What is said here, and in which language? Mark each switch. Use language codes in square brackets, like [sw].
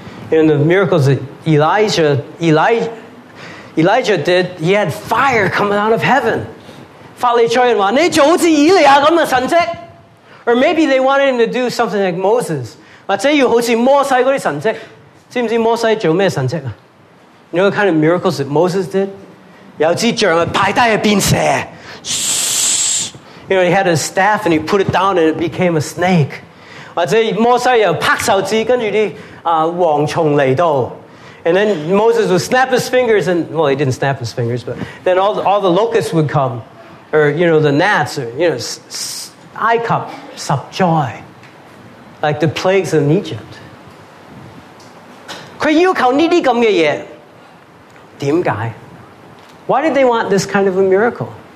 [en] you know, the miracles that Elijah did, he had fire coming out of heaven. [zh] 法利赛人说,你做好像以利亚那样的神迹, [en] or maybe they wanted him to do something like Moses. [zh] 或者要好像摩西那些神迹, 知不知道摩西做什么神迹? [en] You know what kind of miracles that Moses did? [zh] 有支杖摆下变蛇, [en] you know, he had a staff and he put it down and it became a snake. [zh] 或者摩西又拍手指,跟着黄虫来到, [en] and then Moses would snap his fingers and, well, he didn't snap his fingers, but then all the locusts would come, or, you know, the gnats, or, you know, eye cup, sub joy. Like the plagues in Egypt. [zh] 他要求这些东西。为什么? [en] Why did they want this kind of a miracle?